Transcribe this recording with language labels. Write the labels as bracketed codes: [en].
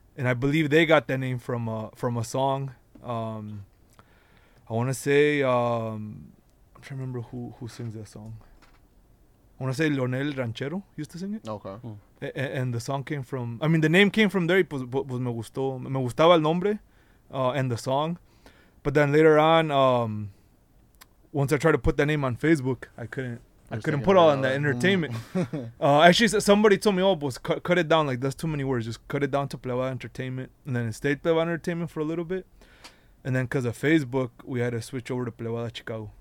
[en] And I believe they got that name from a song. I want to say, I'm trying to remember who sings that song. I want to say Leonel Ranchero used to sing it. Okay. And the song came from, I mean, the name came from there. [es] Pues me gustó. Me gustaba el nombre [en] and the song. But then later on, once I tried to put that name on Facebook, I couldn't put all in that entertainment. actually, somebody told me, oh, pues cut it down. Like, that's too many words. Just cut it down to Plebada Entertainment. And then it stayed Plebada Entertainment for a little bit. And then because of Facebook, we had to switch over to Plebada Chicago.